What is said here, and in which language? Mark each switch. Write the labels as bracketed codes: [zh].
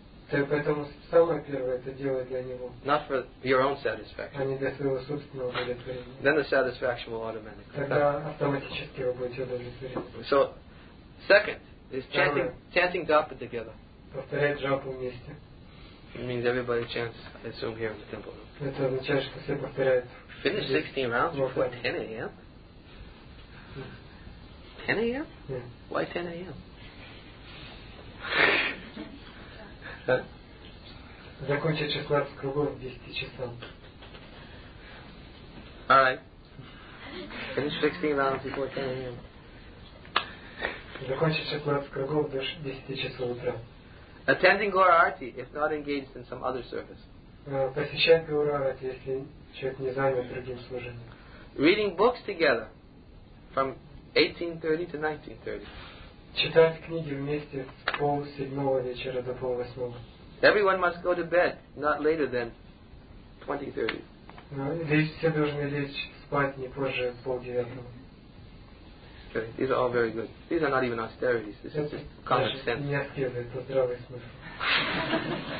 [ru] Поэтому самое первое это делать для него. [en] Not for your own satisfaction. [ru] А не для своего собственного удовлетворения. [en] Then the satisfaction will automatically. [ru] Тогда автоматически вы будете удовлетворены. [en] So, second is chanting japa together. [ru] Повторять джапу вместе. [en] It means everybody chants, I assume, here in the temple. [ru] Это означает, что все повторяют. [en] Finish 16 rounds before 10 a.m. 10 a.m. Yeah. Why 10 a.m. [ru] Закончить 16 кругов 10 часам. [en] All right. Finish 16 rounds before 10 a.m. [ru] Закончить 16 кругов до 10 часов утра. [en] Attending Gaura Arati if not engaged in some other service. [ru] Посещать Gaura Arati, если человек не занят другим служением. [en] Reading books together from 18:30 to 19:30. [ru] Читать книги вместе с пол седьмого вечера до пол восьмого. [en] Everyone must go to bed not later than 20:30. [ru] Все должны лечь спать не позже пол девятого. [en] Okay, these are all very good. These are not even austerities. This is just common sense. [ru] Не аскезы, это здравый смысл.